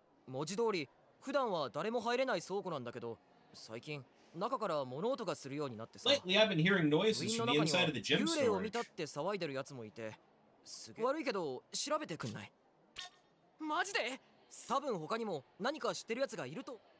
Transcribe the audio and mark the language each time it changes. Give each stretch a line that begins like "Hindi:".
Japanese: 文字通り、普段は誰も入れない倉庫なんだけど、最近中から物音がするようになってさ。
English: Lately, I've been hearing noises from the inside of the gym storage.
Japanese: 幽霊を見たって騒いでるやつもいて、すげえ。悪いけど調べてくんない？マジで？多分他にも何か知ってるやつがいると。